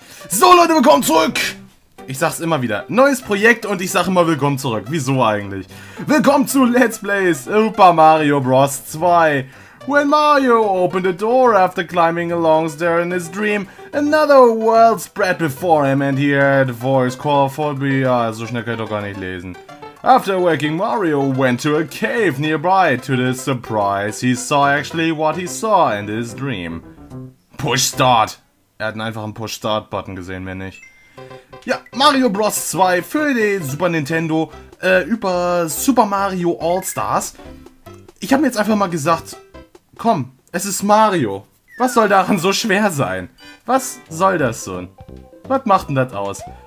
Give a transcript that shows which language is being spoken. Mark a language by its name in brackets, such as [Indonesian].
[German] So, Leute, willkommen zurück! Ich sag's immer wieder, neues Projekt und ich sag immer willkommen zurück. Wieso eigentlich? Willkommen zu Let's Play Super Mario Bros. 2. [English] When Mario opened a door after climbing a long stair in his dream, another world spread before him and he heard a voice call for me. [German] Ah, so schnell kann ich doch gar nicht lesen. [English] After waking, Mario went to a cave nearby. To the surprise, he saw actually what he saw in his dream. Push Start. [German] Er hat einfach einen Push-Start-Button gesehen, mehr nicht. Ja, Mario Bros. 2 für den Super Nintendo über Super Mario All-Stars. Ich habe mir jetzt einfach mal gesagt, komm, es ist Mario. Was soll daran so schwer sein? Was soll das so? Was macht denn das aus?